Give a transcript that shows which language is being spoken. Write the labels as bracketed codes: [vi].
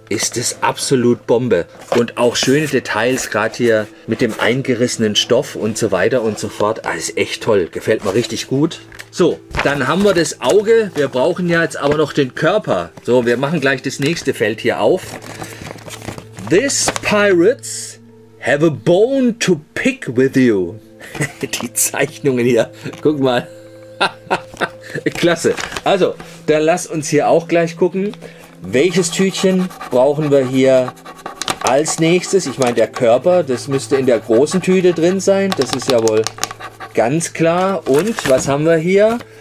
[de] Ist es absolut Bombe. Und auch schöne Details, gerade hier mit dem eingerissenen Stoff und so weiter und so fort. Alles echt toll. Gefällt mir richtig gut. So, dann haben wir das Auge. Wir brauchen ja jetzt aber noch den Körper. So, wir machen gleich das nächste Feld hier auf. [en] These pirates have a bone to pick with you. [de] Die Zeichnungen hier. Guck mal. Klasse. Also, dann lass uns hier auch gleich gucken. Welches Tütchen brauchen wir hier als nächstes? Ich meine, der Körper, das müsste in der großen Tüte drin sein. Das ist ja wohl ganz klar. Und was haben wir hier?